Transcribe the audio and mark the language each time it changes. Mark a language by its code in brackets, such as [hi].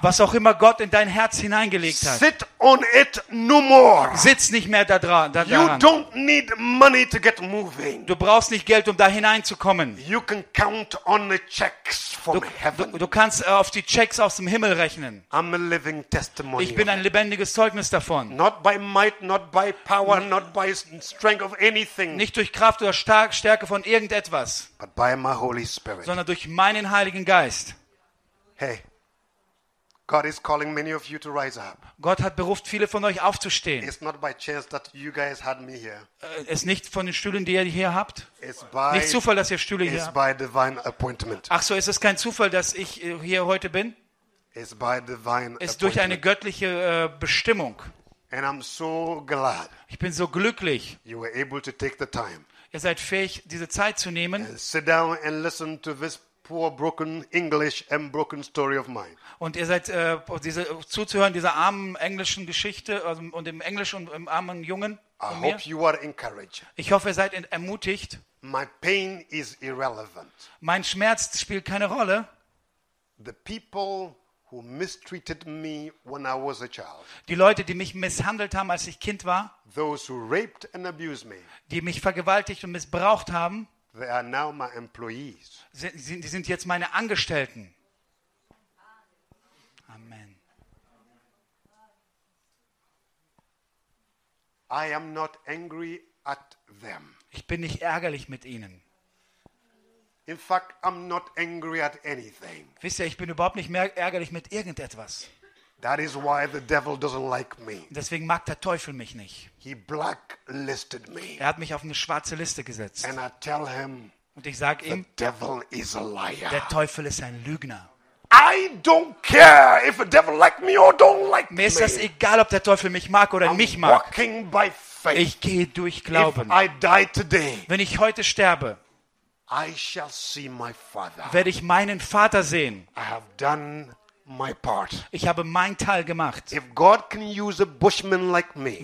[de] Was auch immer Gott in dein Herz hineingelegt hat. [en] Sit on it no more. [de] Sitz nicht mehr daran. [en] You don't need money to get moving. [de] Du brauchst nicht Geld, um da hineinzukommen. [en] You can count on the checks from heaven. [de] Du kannst auf die Checks aus dem Himmel rechnen. [en] I'm a living testimony. [de] Ich bin ein lebendiges Zeugnis davon. [en] Not by might, not by power, not by strength of anything. [de] Nicht durch Kraft oder Stärke von irgendetwas. [en] But by my Holy Spirit. [de] Sondern durch meinen Heiligen Geist. [en] Hey, God is calling many of you to rise up. [de] Gott hat beruft, viele von euch aufzustehen. [en] It's not by chance that you guys had me here. [de] Es ist nicht von den Stühlen, die ihr hier habt. [en] It's by, [de] nicht Zufall, dass ihr Stühle hier habt. [en] By divine appointment. [de] Ach so, ist es kein Zufall, dass ich hier heute bin? [en] It's by divine [de] ist durch eine göttliche Bestimmung. [en] And I'm so glad. [de] Ich bin so glücklich. [en] You were able to take the time. [de] Ihr seid fähig, diese Zeit zu nehmen. [en] Sit down and listen to this poor broken English and broken story of mine. [de] Und ihr seid diese zuzuhören dieser armen englischen Geschichte und dem Englisch und dem armen Jungen. [en] I hope you are encouraged. [de] Ich hoffe, ihr seid ermutigt. [en] My pain is irrelevant. [de] Mein Schmerz spielt keine Rolle. [en] The people who mistreated me when I was a child. [de] Die Leute, die mich misshandelt haben, als ich Kind war. [en] Those who raped and abused me. [de] Die mich vergewaltigt und missbraucht haben. [en] They are now my employees. [de] Sie sind jetzt meine Angestellten. [en] Amen. I am not angry at them. [de] Ich bin nicht ärgerlich mit ihnen. [en] In fact, I'm not angry at anything. [de] Wisst ihr, ich bin überhaupt nicht mehr ärgerlich mit irgendetwas. [en] That is why the devil doesn't like me. [de] Deswegen mag der Teufel mich nicht. [en] He blacklisted me. [de] Er hat mich auf eine schwarze Liste gesetzt. [en] And I tell him, [de] und ich sage ihm, [en] the devil is a liar. [de] Der Teufel ist ein Lügner. [en] I don't care if the devil like me or don't like me. [de] Mir ist das egal, ob der Teufel mich mag oder mich mag. [en] Walking by faith. [de] Ich gehe durch Glauben. [en] If I die today, [de] wenn ich heute sterbe, [en] I shall see my father. [de] Werde ich meinen Vater sehen. [en] I have done my part. [de] Ich habe mein Teil gemacht. [en] If God can use a bushman like me,